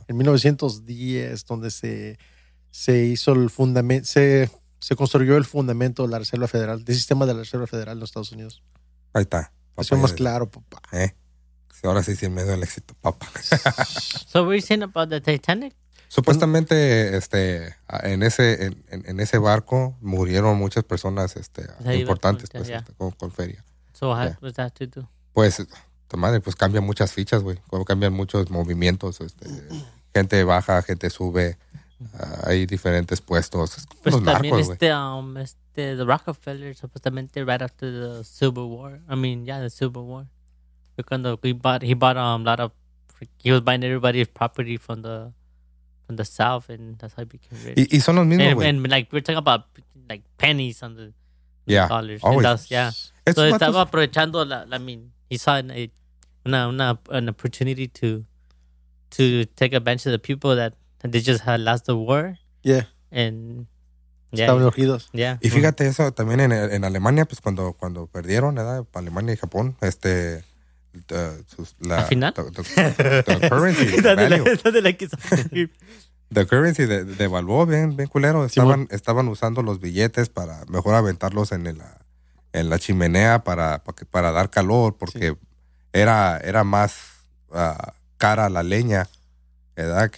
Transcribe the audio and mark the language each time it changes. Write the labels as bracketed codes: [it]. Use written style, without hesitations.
[es] En 1910, donde se hizo el fundamento, se construyó el fundamento de la Reserva Federal, del sistema de la Reserva Federal en los Estados Unidos. Ahí está. Eso es más claro, papá. Ahora sí, sin miedo al éxito, papá. [en] So, what are you saying about the Titanic? [es] Supuestamente, este, en ese barco murieron muchas personas, este, importantes, pues, yeah. con feria. [en] So, how was that to do? [es] Pues, tu madre, pues cambian muchas fichas, güey. Cambian muchos movimientos, este, gente baja, gente sube, hay diferentes puestos. Es como pues los narcos, [en] también the Rockefeller, supuestamente, right after the Civil War. I mean, yeah, the Civil War. Cuando he bought a lot of, he was buying everybody's property from the south, and that's how he became rich. [es] Y son los mismos, güey. [en] And like we're talking about like pennies on the yeah, dollars. Always. [es] Yeah. So estaba matos. Aprovechando la, [en] I mean, he saw an opportunity to take advantage of the people that they just had lost the war. Yeah. And [es] yeah. Estaban urgidos. [en] Yeah. [es] Y fíjate eso también en Alemania, pues cuando perdieron, ¿verdad? Para Alemania y Japón, este. La final [en] the currency [es] devaluó bien culero. Estaban usando los billetes para mejor aventarlos en la chimenea para dar calor, porque era más cara la leña, ¿verdad?